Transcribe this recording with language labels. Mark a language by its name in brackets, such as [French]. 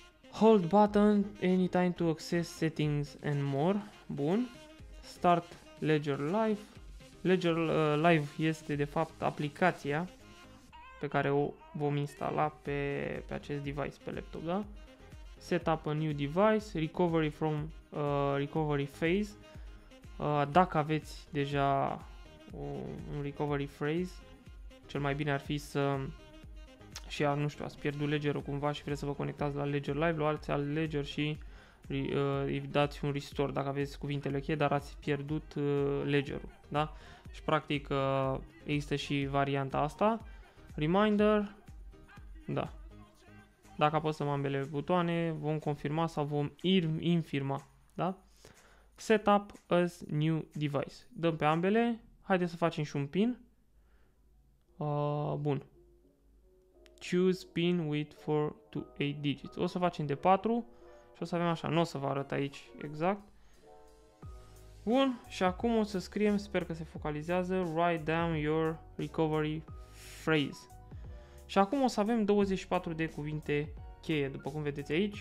[English] Hold button anytime to access settings and more, [Romanian] bun. [English] Start Ledger Live. [Romanian] Ledger Live este de fapt aplicația pe care o vom instala pe acest device, pe laptop, da? [English] Set up a new device, recovery from recovery phase. [Romanian] Dacă aveți deja un recovery phase, cel mai bine ar fi să și ar, nu știu, ați pierdut Ledger-ul cumva și vreți să vă conectați la Ledger Live, luați al Ledger și îi dați un restore dacă aveți cuvintele cheie, dar ați pierdut Ledger-ul, da? Și practic există și varianta asta. Reminder, da. Dacă apăsăm ambele butoane, vom confirma sau vom infirma, da? [English] Setup as new device. [Romanian] Dăm pe ambele. Haideți să facem și un pin. Bun. [English] Choose pin with 4 to 8 digits. [Romanian] O să facem de 4 și o să avem așa. Nu o să vă arăt aici exact. Bun. Și acum o să scriem, sper că se focalizează, [English] write down your recovery phrase. [Romanian] Și acum o să avem 24 de cuvinte cheie, după cum vedeți aici.